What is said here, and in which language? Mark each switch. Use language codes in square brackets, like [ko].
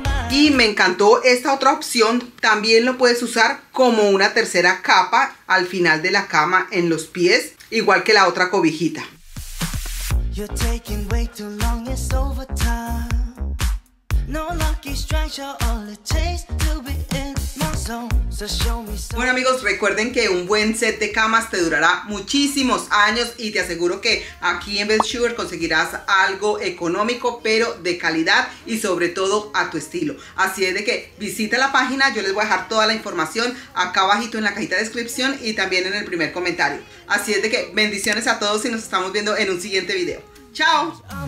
[es] Y me encantó esta otra opción. También lo puedes usar como una tercera capa al final de la cama en los pies, igual que la otra cobijita. [en] You're taking way too long, it's over time. No lucky strikes, you're all it takes to be in my zone. So show me some. [es] Bueno amigos, recuerden que un buen set de camas te durará muchísimos años, y te aseguro que aquí en Best Sugar conseguirás algo económico pero de calidad y sobre todo a tu estilo. Así es de que visita la página, yo les voy a dejar toda la información acá abajito en la cajita de descripción y también en el primer comentario. Así es de que bendiciones a todos y nos estamos viendo en un siguiente video. ¡Chao!